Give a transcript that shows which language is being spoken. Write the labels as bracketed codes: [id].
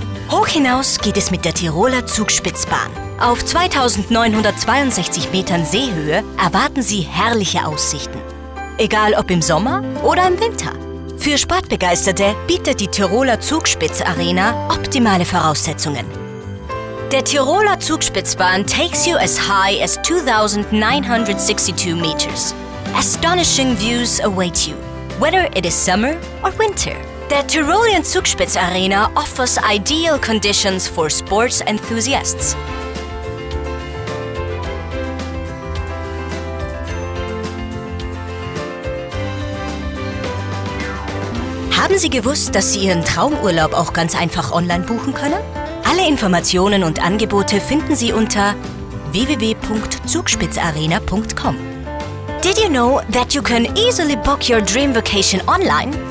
[de] Hoch hinaus geht es mit der Tiroler Zugspitzbahn. Auf 2962 Metern Seehöhe erwarten Sie herrliche Aussichten. Egal ob im Sommer oder im Winter. Für Sportbegeisterte bietet die Tiroler Zugspitz Arena optimale Voraussetzungen. [en] Der Tiroler Zugspitzbahn takes you as high as 2962 meters. Astonishing views await you, whether it is summer or winter. The Tyrolean Zugspitz Arena offers ideal conditions for sports enthusiasts. [de] Haben Sie gewusst, dass Sie Ihren Traumurlaub auch ganz einfach online buchen können? Alle Informationen und Angebote finden Sie unter www.zugspitzarena.com. [en] Did you know that you can easily book your dream vacation online?